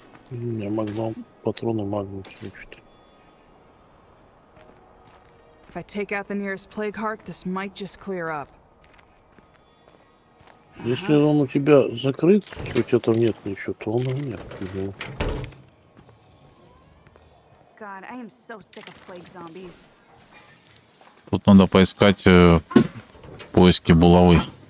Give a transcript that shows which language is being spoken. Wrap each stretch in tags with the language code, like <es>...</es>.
<ru>Я магнум, патроны магнум.</ru> <en>If I take out the nearest plague heart, this might just clear up.</en> <ru>Если он у тебя закрыт, у тебя там нет ничего, то он у меня.</ru> <en>God, I am so sick of plague zombies.</en> <ru>Тут надо поискать поиски булавы.</ru>